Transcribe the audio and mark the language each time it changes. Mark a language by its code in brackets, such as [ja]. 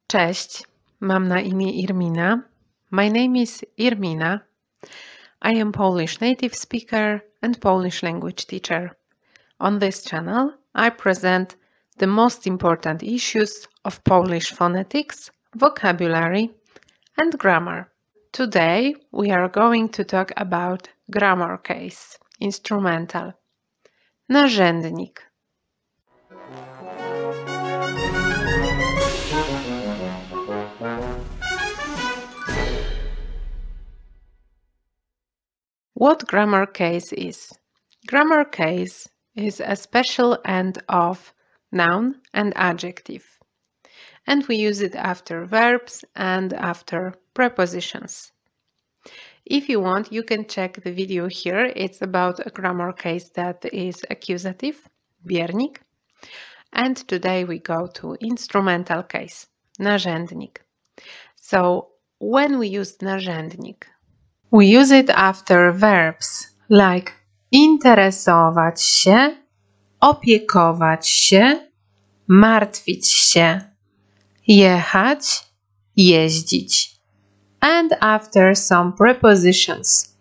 [pl] Cześć, mam na imię Irmina. [en] My name is Irmina. I am Polish native speaker and Polish language teacher. On this channel, I present the most important issues of Polish phonetics, vocabulary, and grammar. Today, we are going to talk about grammar case, instrumental. [pl] Narzędnik. [en] What grammar case is? Grammar case is a special end of noun and adjective. And we use it after verbs and after prepositions. If you want, you can check the video here. It's about a grammar case that is accusative, biernik. And today we go to instrumental case, narzędnik. So when we use narzędnik, we use it after verbs like [pl] interesować się, opiekować się, martwić się, jechać, jeździć, [en] and after some prepositions.